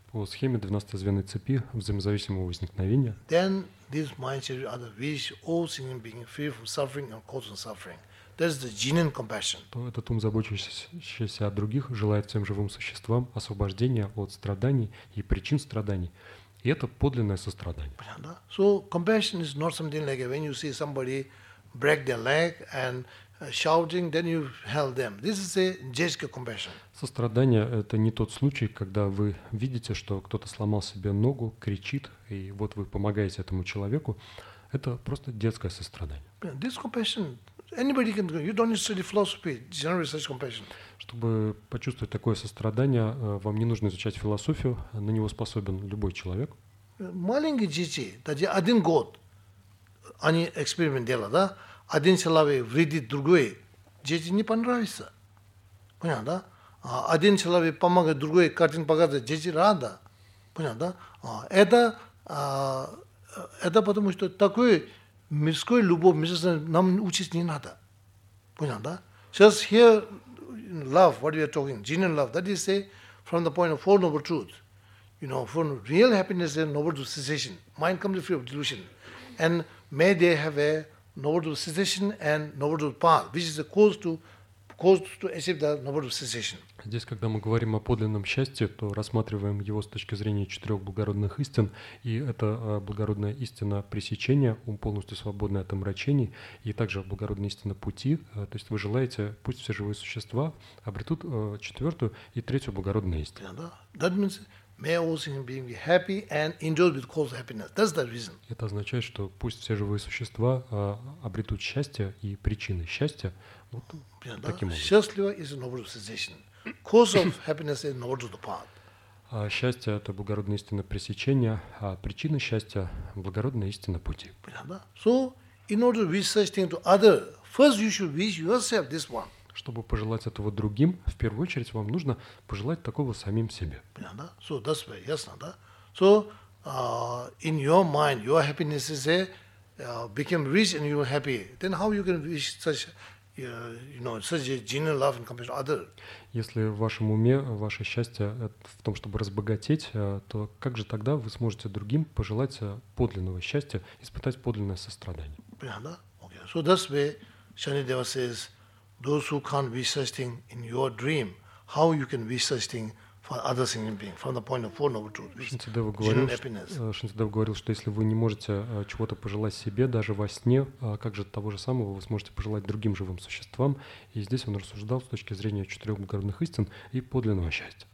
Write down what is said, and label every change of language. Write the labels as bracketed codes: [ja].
[ru] По схеме 12 звеньев цепи взаимозависимого возникновения. [en] Then this mind cherish other wish all sentient beings free from suffering and causing suffering. That is the genuine compassion. [ru] То этот ум, заботящийся о других, желает всем живым существам освобождения от страданий и причин страданий. И это подлинное сострадание. Понятно, да? [en] So compassion is not something like when you see somebody break their leg and shouting, then you help them. This is a gesture compassion. [ru] Сострадание – это не тот случай, когда вы видите, что кто-то сломал себе ногу, кричит, и вот вы помогаете этому человеку. Это просто детское сострадание. [en] This compassion, anybody can do. You don't need to study philosophy, generally such compassion. [ru] Чтобы почувствовать такое сострадание, вам не нужно изучать философию, на него способен любой человек. Маленькие дети, даже один год, они эксперимент делают, да? Один человек вредит другой, дети не понравится. Понял, да? Один человек помогает другой, картину показывает, дети рады. Понял, да? Это потому, что такой мирской любовь, мирской нам учить не надо. Понял, да? Сейчас [en] here, love, what we are talking, genuine love, that is say, from the point of Four Noble Truths. You know, for real happiness and noble cessation, mind comes free of delusion. And may they have a noble cessation and noble path, which is a cause to achieve the noble cessation. [ru] Здесь, когда мы говорим о подлинном счастье, то рассматриваем его с точки зрения четырех благородных истин, и это благородная истина пресечения, ум полностью свободный от омрачений, и также благородная истина пути. То есть вы желаете, пусть все живые существа обретут четвертую и третью благородную истину. [en] That means may all human beings be happy and enjoy with cause of happiness. That's the reason. [ru] Это означает, что пусть все живые существа обретут счастье и причины счастья. Вот таким образом. Счастливо [en] is a noble cessation. Cause of happiness is noble to the path. [ru] Счастье – это благородная истина пресечения, а причина счастья – благородная истина пути. [en] So, in order to wish such thing to other, first you should wish yourself this one. [ru] Чтобы пожелать этого другим, в первую очередь вам нужно пожелать такого самим себе. [en] So, that's very, [ru] ясно, да? [en] So, in your mind, your happiness is become rich and you're happy. Then how you can wish such such a genuine love and compassion other. [ru] Если в вашем уме ваше счастье в том, чтобы разбогатеть, то как же тогда вы сможете другим пожелать подлинного счастья, испытать подлинное сострадание? Понятно? Okay. [en] So that's where Shani Deva says, those who can't wish such thing in your dream, how you can wish such thing for other sentient beings, from the point of Four Noble Truths, genuine happiness. [ru] Шинцедева говорил, что если вы не можете чего-то пожелать себе даже во сне, как же того же самого вы сможете пожелать другим живым существам? И здесь он рассуждал с точки зрения четырех благородных истин и подлинного счастья.